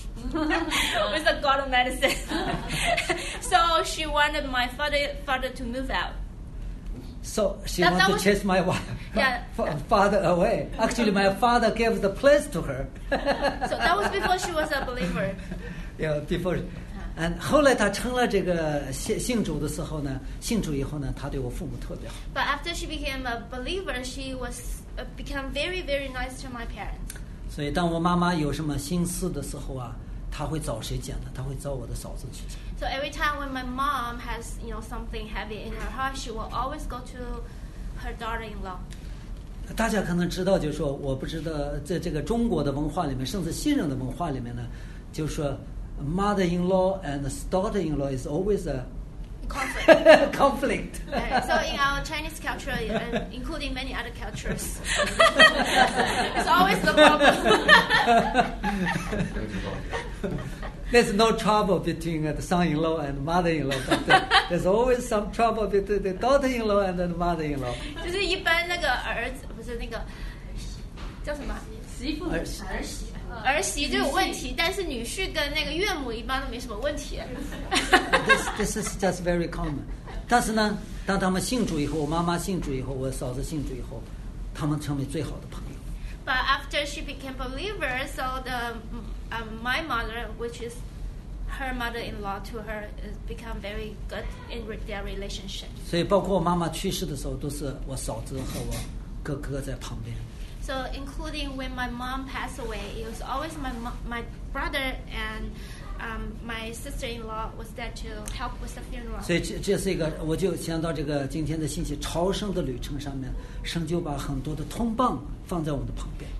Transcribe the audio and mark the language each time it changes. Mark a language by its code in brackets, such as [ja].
[en] with the god of medicine. So she wanted my father to move out. So she wanted to chase my wife. Yeah. Father away. Actually, my father gave the place to her. So that was before she was a believer. Yeah, before. [zh] And 后来她成了这个信主的时候呢，信主以后呢，她对我父母特别好。 [en] But after she became a believer, she was become very, very nice to my parents. [zh] 所以当我妈妈有什么心思的时候啊，他会找谁讲的？他会找我的嫂子去讲。 [en] So every time when my mom has, you know, something heavy in her heart, she will always go to her daughter-in-law. [zh] 大家可能知道，就是说，我不知道，在这个中国的文化里面，甚至西人的文化里面呢，就是说 ， [en] mother-in-law and daughter-in-law is always a conflict. So in our Chinese culture, including many other cultures, it's always the problem. There's no trouble between the son-in-law and mother-in-law. But there's always some trouble between the daughter-in-law and the mother-in-law. [zh] 就是一般那个儿子不是那个叫什么媳妇儿媳。儿媳就有问题，但是女婿跟那个岳母一般都没什么问题。 [en] This is just very common. [zh] 但是呢，当他们信主以后，我妈妈信主以后，我嫂子信主以后，他们成为最好的朋友。 [en] But after she became believer, so the my mother, which is her mother-in-law to her, is become very good in their relationship. [zh] 所以包括我妈妈去世的时候，都是我嫂子和我哥哥在旁边。 [en] So including when my mom passed away, it was always my brother and my sister-in-law was there to help with the funeral. [zh] 所以这是一个，我就想到这个今天的信息，朝圣的旅程上面，神就把很多的通棒放在我们的旁边。